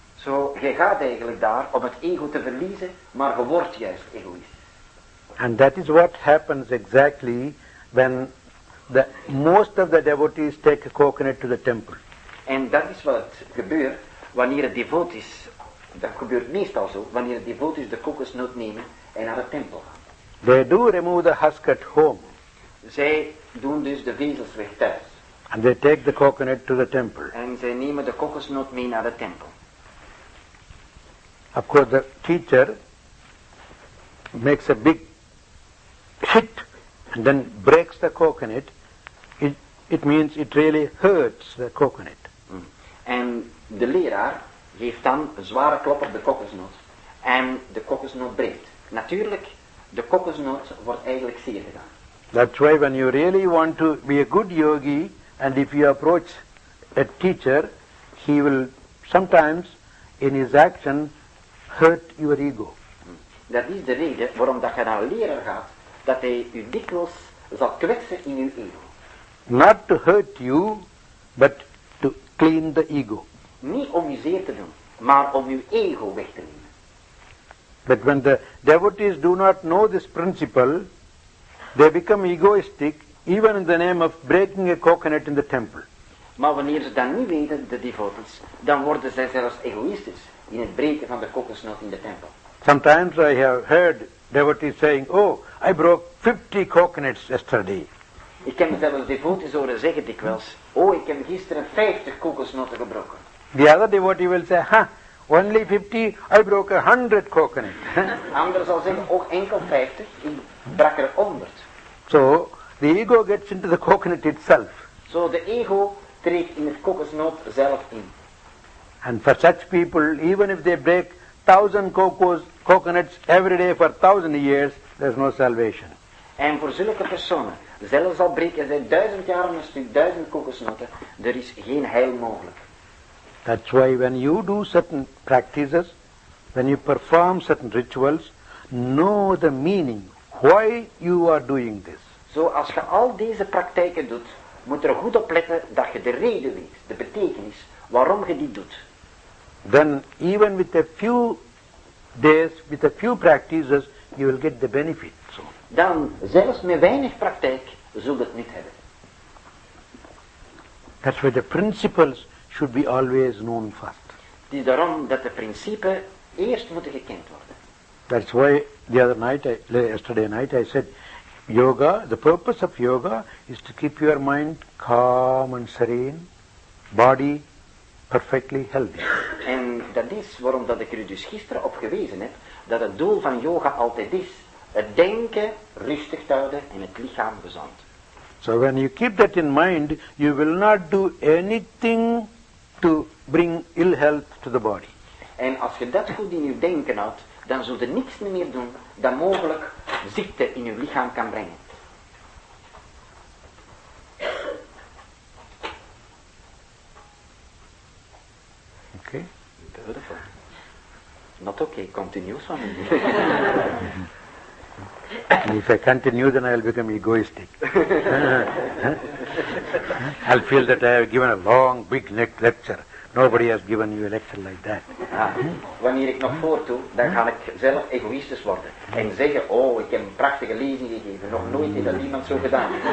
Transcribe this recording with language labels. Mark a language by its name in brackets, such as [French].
[Dutch] So, je gaat eigenlijk daar om het ego te verliezen, maar je wordt juist egoïst. [English] And that is what happens exactly when most of the devotees take a coconut to the temple. [Dutch] En dat is wat gebeurt wanneer het devotees, dat gebeurt meestal zo, wanneer het devotees de kokosnoot nemen en naar de tempel gaan. [English] They do remove the husk at home. [Dutch] Zij doen dus de vezels weg thuis. [English] And they take the coconut to the temple. [Dutch] En zij nemen de kokosnoot mee naar de tempel. [English] Of course the teacher makes a big hit and then breaks the coconut. It means it really hurts the coconut. [Dutch] En de leraar geeft dan een zware klop op de kokosnoot. En de kokosnoot breekt. Natuurlijk, De kokosnoot wordt eigenlijk zeer gedaan. [English] That's why when you really want to be a good yogi, and if you approach a teacher, he will sometimes in his action hurt your ego. [Dutch] Dat is de reden waarom dat je naar een leraar gaat, dat hij u dikwijls zal kwetsen in uw ego. [English] Not to hurt you, but to clean the ego. [Dutch] Niet om u zeer te doen, maar om uw ego weg te nemen. [English] But when the devotees do not know this principle, they become egoistic, even in the name of breaking a coconut in the temple. [Dutch] Maar wanneer ze dat niet weten, de devotees, dan worden zij zelfs egoïstisch in het breken van de kokosnoot in de tempel. [English] Sometimes I have heard devotees saying, oh, I broke 50 coconuts yesterday. [Dutch] Ik heb zelfs devotees horen zeggen dikwijls, oh, ik heb gisteren 50 kokosnoten gebroken. [English] The other devotee will say, ha, huh, only 50, I broke 100 coconuts. [Dutch] Anders zal zeggen, oh, enkel 50, ik brak er 100. [English] So, the ego gets into the coconut itself. So, the ego [Dutch] treedt in het kokosnoot zelf in. [English] And for such people, even if they break 1000 coconuts every day for 1000 years, there's no salvation. [Dutch] En voor zulke personen, zelfs al breken zij 1000 jaar om een stuk 1000 kokosnoten, er is geen heil mogelijk. [English] That's why when you do certain practices, when you perform certain rituals, know the meaning, why you are doing this. [Dutch] Zo, als je al deze praktijken doet, moet er goed op letten dat je de reden weet, de betekenis, waarom je die doet. [English] Then even with a few days, with a few practices, you will get the benefit. So. [Dutch] Dan zelfs met weinig praktijk zult het niet hebben. [English] That's why the principles should be always known first. [Dutch] Het is daarom dat de principes eerst moeten gekend worden. [English] That's why the other night, yesterday night, I said, yoga, the purpose of yoga is to keep your mind calm and serene, body perfectly healthy. [Dutch] En dat is waarom dat ik er dus gisteren op gewezen heb, dat het doel van yoga altijd is, het denken rustig te houden en het lichaam gezond. [English] So when you keep that in mind, you will not do anything to bring ill health to the body. [Dutch] En als je dat goed in je denken houdt, dan zul je niks meer doen dat mogelijk ziekte in je lichaam kan brengen. [English] Beautiful. Not okay, continue some. And if I continue, then I'll become egoistic. I'll feel that I have given a long, big lecture. Nobody has given you a lecture like that. [Dutch] Wanneer ik nog voortdoe, dan ga ik zelf egoïstisch worden. En zeggen, oh, ik heb een prachtige lezing gegeven. Nog nooit heeft dat iemand zo gedaan.